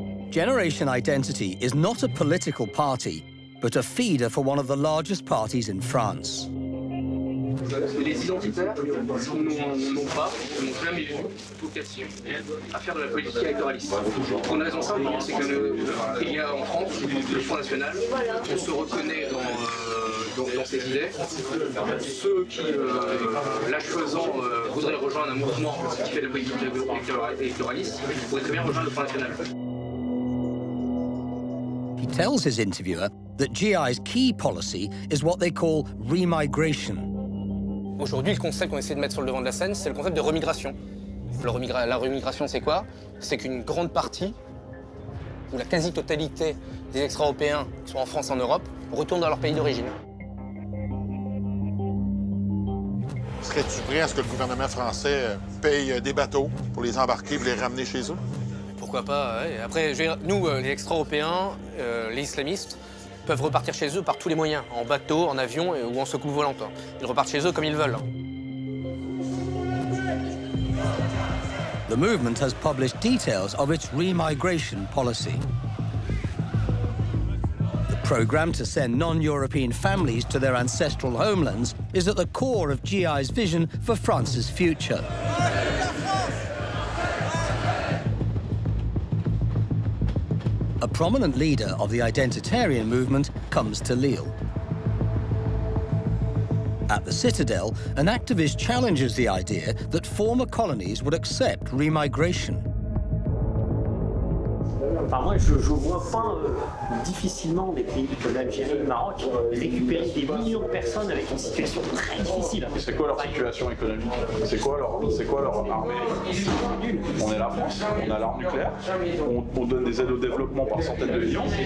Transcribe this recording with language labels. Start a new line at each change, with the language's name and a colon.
English: Generation Identity is not a political party, but a feeder for one of the largest parties in France.
French: Les identitaires, ils n'ont pas, ils n'ont jamais eu vocation à faire de la politique électoraliste. Pour une raison simple, c'est que il y a en France le Front National, on se reconnaît dans ces idées. Ceux qui, l'âge faisant, voudraient rejoindre un mouvement qui fait de la politique électoraliste, pourraient très bien rejoindre le Front National.
English: He tells his interviewer that GI's key policy is what they call remigration.
French: Aujourd'hui, le concept qu'on essaie de mettre sur le devant de la scène, c'est le concept de remigration. La remigration, c'est quoi? C'est qu'une grande partie, ou la quasi-totalité des extra-européens qui sont en France et en Europe, retournent dans leur pays d'origine. Serais-tu prêt à ce que le gouvernement français paye des bateaux pour les embarquer et les ramener chez eux? Pourquoi pas, ouais. Après, je veux dire, nous, les extra-européens, les islamistes, peuvent repartir chez eux par tous les moyens, en bateau, en avion ou en soucoupe volante. Ils repartent chez eux comme ils veulent.
English: The movement has published details of its remigration policy. The program to send non-European families to their ancestral homelands is at the core of GI's vision for France's future. A prominent leader of the identitarian movement comes to Lille. At the Citadel, an activist challenges the idea that former colonies would accept remigration.
French: Alors moi, je vois pas difficilement des pays comme l'Algérie, le Maroc récupérer des millions de personnes avec une situation très difficile. Et c'est quoi leur situation économique? C'est quoi leur armée? On est la France, on a l'arme nucléaire, on donne des aides au développement par centaines de millions.